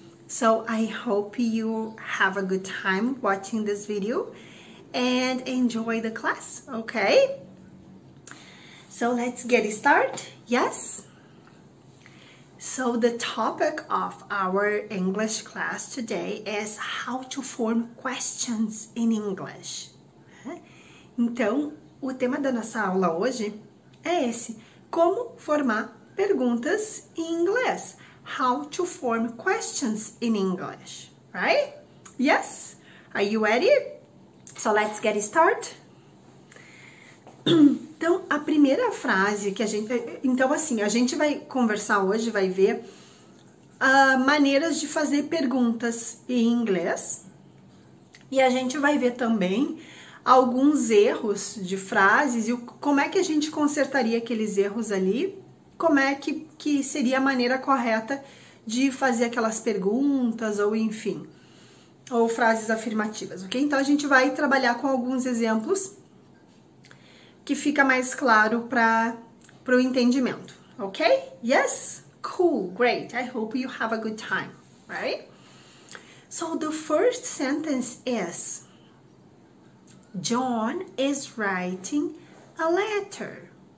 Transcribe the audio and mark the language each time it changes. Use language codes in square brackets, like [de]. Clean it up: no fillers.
[en] So I hope you have a good time watching this video and enjoy the class, okay? So let's get it started, yes? So the topic of our English class today is how to form questions in English. [pt] Então, o tema da nossa aula hoje é esse, como formar perguntas em inglês. [en] How to form questions in English, right? Yes? Are you ready? So let's get it started. [pt] Então, a primeira frase que a gente... Então, assim, a gente vai conversar hoje, vai ver maneiras de fazer perguntas em inglês. E a gente vai ver também alguns erros de frases e como é que a gente consertaria aqueles erros ali. Como é que seria a maneira correta de fazer aquelas perguntas ou, enfim, ou frases afirmativas, ok? Então, a gente vai trabalhar com alguns exemplos que fica mais claro para o entendimento, ok? [en] Yes? Cool, great. I hope you have a good time, right? So, the first sentence is, John is writing a letter.